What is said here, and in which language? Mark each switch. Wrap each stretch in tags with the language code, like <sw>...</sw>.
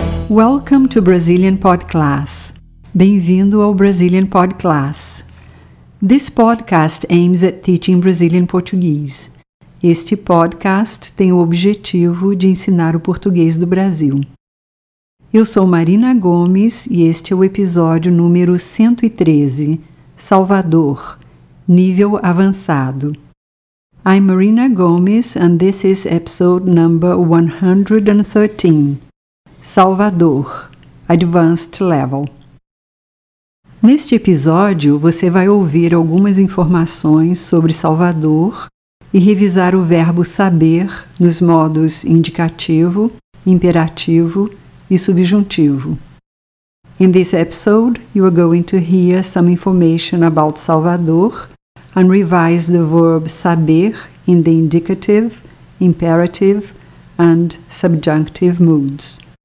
<en>Welcome to Brazilian Podclass.</en> <pt>Bem-vindo ao Brazilian Podclass.</pt> <en>This podcast aims at teaching Brazilian Portuguese.</en> <pt>Este podcast tem o objetivo de ensinar o português do Brasil. Eu sou Marina Gomes e este é o episódio número 113, Salvador, nível avançado.</pt> <en>I'm Marina Gomes and this is episode number 113. Salvador, Advanced Level.</en> <pt>Neste episódio, você vai ouvir algumas informações sobre Salvador e revisar o verbo saber nos modos indicativo, imperativo e subjuntivo.</pt> <en>In this episode, you are going to hear some information about Salvador and revise the verb saber in the indicative, imperative and subjunctive moods.</en>